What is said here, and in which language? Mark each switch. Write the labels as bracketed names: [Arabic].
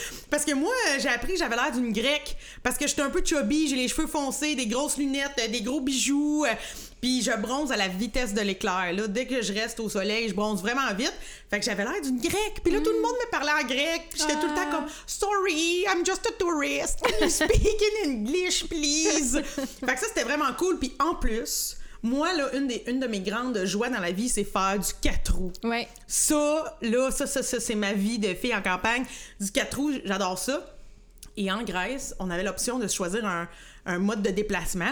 [French] Parce que moi, j'ai appris que j'avais l'air d'une grecque. Parce que j'étais un peu chubby, j'ai les cheveux foncés, des grosses lunettes, des gros bijoux. Puis je bronze à la vitesse de l'éclair. Là, dès que je reste au soleil, je bronze vraiment vite. Fait que j'avais l'air d'une grecque. Puis là, tout le monde me parlait en grec. Puis j'étais tout le temps comme « [English] Sorry, I'm just a tourist. Can you speak in English, please? [French] » Fait que ça, c'était vraiment cool. Puis en plus... Moi, là, une de mes grandes joies dans la vie, c'est faire du 4 roues. Ouais. Ça, là, ça, c'est ma vie de fille en campagne. Du 4 roues, j'adore ça. Et en Grèce, on avait l'option de choisir un mode de déplacement.